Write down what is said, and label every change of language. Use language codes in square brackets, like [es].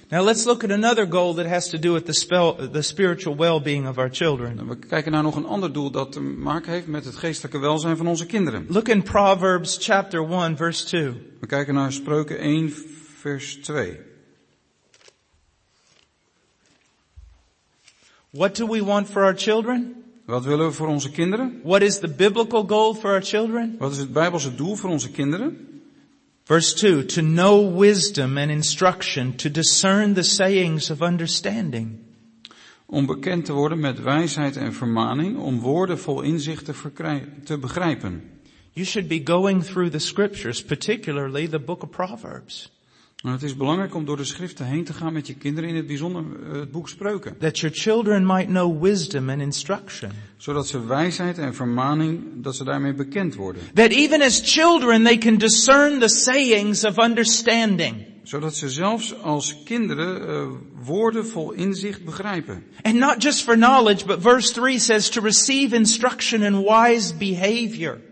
[en] Now let's look at another goal that has to do with the spiritual well-being of our children. [nl] We kijken naar nog een ander doel dat te maken heeft met het geestelijke welzijn van onze kinderen. [en] Look in Proverbs chapter 1 verse 2. [nl] We kijken naar Spreuken 1 vers 2. [en] What do we want for our children? [nl] Wat willen we voor onze kinderen? [en] What is the biblical goal for our children? [nl] Wat is het Bijbelse doel voor onze kinderen? [en] Verse 2, to know wisdom and instruction, to discern the sayings of understanding. [nl] Om bekend te worden met wijsheid en vermaning, om woorden vol inzicht te begrijpen. [en] You should be going through the scriptures, particularly the book of Proverbs. [nl] En het is belangrijk om door de schriften heen te gaan met je kinderen, in het bijzonder het boek Spreuken. [en] That your children might know wisdom and instruction. [nl] Zodat ze wijsheid en vermaning, dat ze daarmee bekend worden. [en] That even as children they can discern the sayings of understanding. [nl] Zodat ze zelfs als kinderen woorden vol inzicht begrijpen. [en] And not just for knowledge, but verse 3 says to receive instruction and wise behavior.